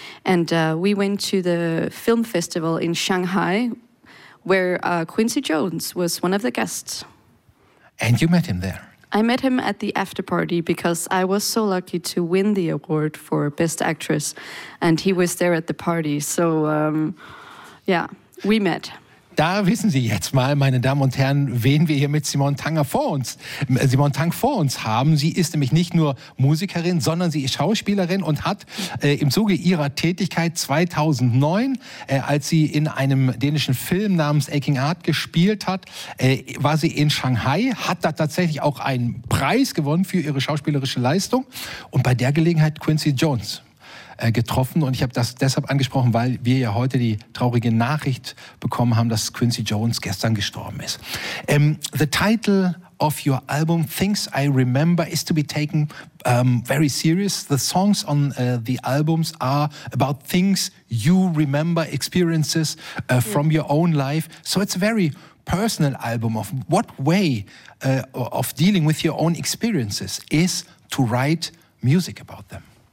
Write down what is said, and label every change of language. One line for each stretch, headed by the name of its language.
English: And we went to the film festival in Shanghai, where Quincy Jones was one of the guests. And you met him there? I met him at the after party because I was so lucky to win the award for Best Actress, and he was there at the party. So, we met.
German: Da wissen Sie jetzt mal, meine Damen und Herren, wen wir hier mit Simon Tang vor uns haben. Sie ist nämlich nicht nur Musikerin, sondern sie ist Schauspielerin und hat im Zuge ihrer Tätigkeit 2009, als sie in einem dänischen Film namens Aching Heart gespielt hat, war sie in Shanghai, hat da tatsächlich auch einen Preis gewonnen für ihre schauspielerische Leistung und bei der Gelegenheit Quincy Jones getroffen. Und ich habe das deshalb angesprochen, weil wir ja heute die traurige Nachricht bekommen haben, dass Quincy Jones gestern gestorben ist.
English: The title of your album, Things I Remember, is to be taken very serious. The songs on the albums are about things you remember, experiences from your own life. So it's a very personal album. Of what way of dealing with your own experiences is to write music about them?